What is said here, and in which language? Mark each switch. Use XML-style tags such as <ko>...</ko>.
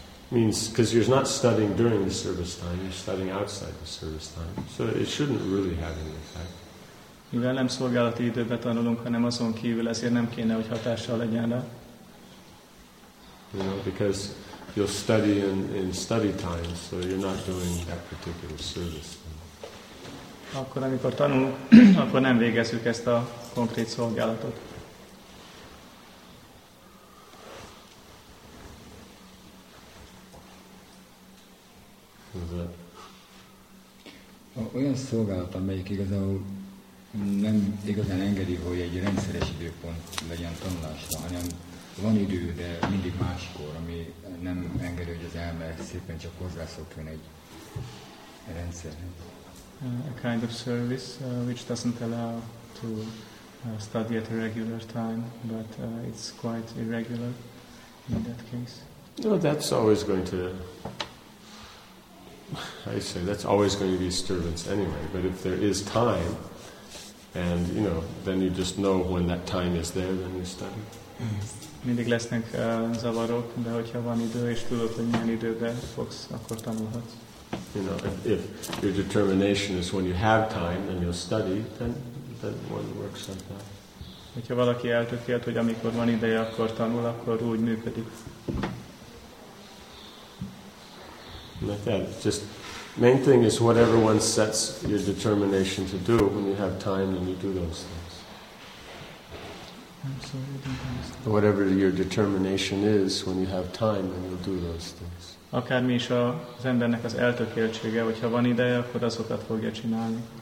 <en>means, because you're not studying during the service time, you're studying outside the service time. So it shouldn't really have any effect.</en> <hu>Mivel nem szolgálati időben tanulunk, hanem azon kívül, ezért nem kéne, hogy hatással legyen rá.</hu> <en>You know, because you'll study in study time, so you're not doing that particular service.</en> <hu>Akkor, amikor tanulunk, akkor nem végezzük ezt a konkrét szolgálatot. Olyan szolgálat, amelyik igazából nem igazán engedi, hogy egy rendszeres időpont legyen tanulásra, hanem van idő, de mindig máskor, ami nem engedi, hogy az elme szépen csak hozzászokjon egy rendszerhez.</hu> <en>A kind of service which doesn't allow to study at a regular time, but it's quite irregular in that case. No, that's always going to... I say that's always going to be a disturbance anyway, but if there is time, and you know, then you just know when that time is there, then you study.</en> <hu>Mindig lesznek zavarok, de hogyha van idő és tudod, hogy milyen időben fogsz, akkor tanulhatsz.</hu> <en>You know, if your determination is when you have time, then you'll study, then one works like that.</en> <hu>Hogyha valaki eltökélt, hogy amikor van ideje, akkor tanul, akkor úgy működik.</hu> <en>Like that. Just main thing is whatever one sets your determination to do when you have time and you do those things. I'm sorry, I didn't understand. Whatever your determination is when you have time and you'll do those things.</en> <hu>Akármi is az embernek az eltökéltsége, hogyha van ideje, akkor azokat fogja csinálni.</hu>